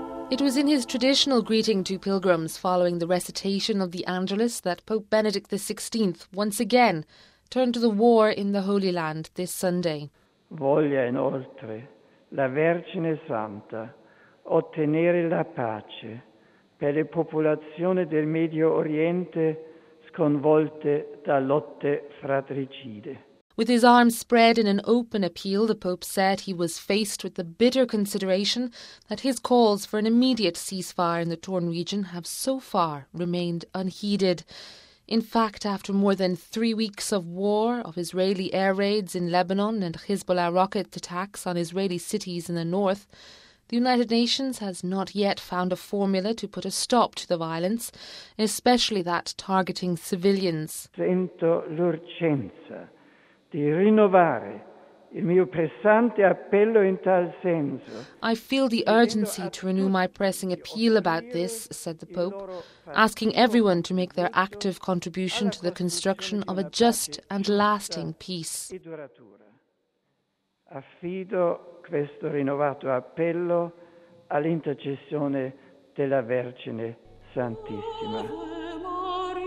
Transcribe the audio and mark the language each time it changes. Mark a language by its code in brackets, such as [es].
[en] It was in his traditional greeting to pilgrims following the recitation of the Angelus that Pope Benedict XVI once again turned to the war in the Holy Land this Sunday. [it] Voglia inoltre la Vergine Santa ottenere la pace per le popolazioni del Medio Oriente sconvolte da lotte fratricide. [en] With his arms spread in an open appeal, the Pope said he was faced with the bitter consideration that his calls for an immediate ceasefire in the torn region have so far remained unheeded. In fact, after more than 3 weeks of war, of Israeli air raids in Lebanon and Hezbollah rocket attacks on Israeli cities in the north, the United Nations has not yet found a formula to put a stop to the violence, especially that targeting civilians. [it] Sento l'urgenza di rinnovare il mio pressante appello in tal senso. [en] I feel the urgency to renew my pressing appeal about this, said the Pope, asking everyone to make their active contribution to the construction of a just and lasting peace. [it] Affido questo rinnovato appello all'intercessione della Vergine Santissima.